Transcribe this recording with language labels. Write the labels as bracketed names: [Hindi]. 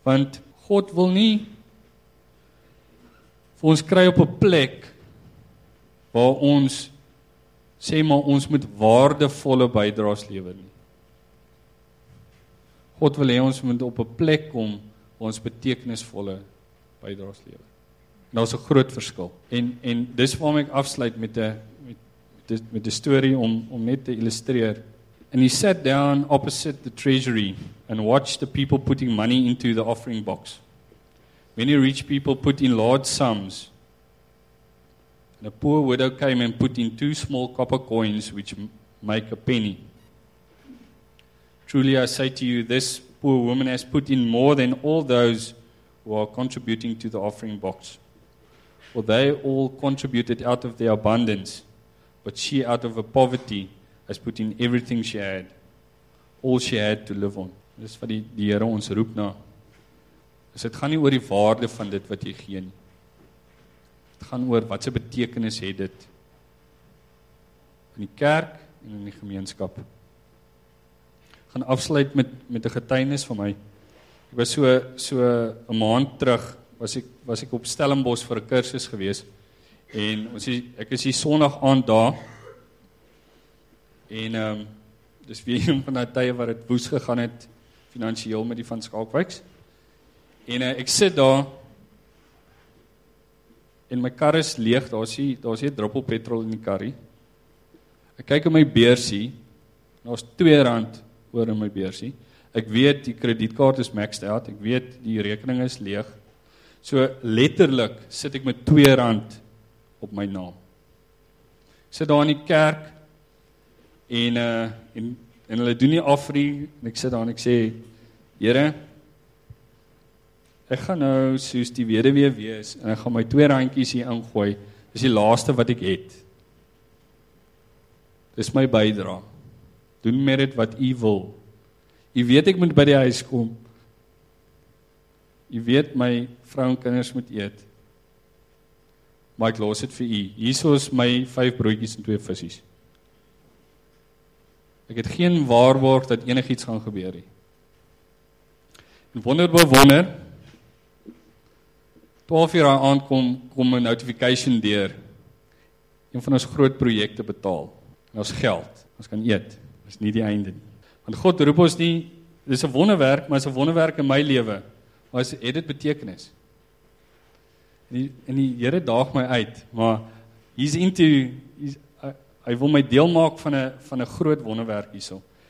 [Afrikaans] Want God wil nie vir ons kry op 'n plek waar ons sê maar ons moet waardevolle bydraes lewer nie. God wil hê ons moet op 'n plek kom waar ons betekenisvolle bydraes lewer. En daar's 'n groot verskil. En dis waarom ek afsluit met 'n storie om net te illustreer. [English] And he sat down opposite the treasury and watched the people putting money into the offering box. Many rich people put in large sums. And a poor widow came and put in two small copper coins, which make a penny. Truly I say to you, this poor woman has put in more than all those who are contributing to the offering box. For they all contributed out of their abundance, but she out of her poverty has put in everything she had, all she had to live on. [Afrikaans] Dis wat die Here ons roep na. Is dit gaan nie oor die waarde van dit wat jy gee nie. Dit gaan oor wat se betekenis het dit in die kerk en in die gemeenskap. Gaan afsluit met 'n getuienis van my. Ek was so 'n maand terug was ek op Stellenbosch vir 'n kursus gewees en ek is die Sondag aand daar. En dis weer een van daai tye waar dit woes gegaan het finansieel met die van Skalkwyks. En ek sit daar en my kar is leeg, daar's nie 'n druppel petrol in die karrie. Ek kyk in my beursie, daar's R2 oor in my beursie. Ek weet die kredietkaart is maxed out, ek weet die rekening is leeg. So letterlik sit ek met R2 op my naam. Ek sit daar in die kerk en hulle doen die offering en ek sit daar en ek sê, Here, ek gaan nou soos die weduwee wees en ek gaan my R2 hier ingooi. Dis die laaste wat ek het. Dis my bydra. Doen met dit wat u wil. U weet ek moet by die huis kom. U weet my vrou en kinders moet eet. Maar ek los dit vir u. Hierso is my 5 broodjies en 2 visse. Ek het geen waarborg dat enigiets gaan gebeur nie. En wonder bo wonder, 12:00 daai aand kom 'n notification deur. Een van ons groot projekte betaal. En ons geld, ons kan eet. Dis nie die einde nie. Want God roep ons nie, dis 'n wonderwerk, maar dis 'n wonderwerk in my lewe. Maar het dit betekenis? En die Here daag my uit, maar hy wil my deel maak van 'n groot wonderwerk hierso.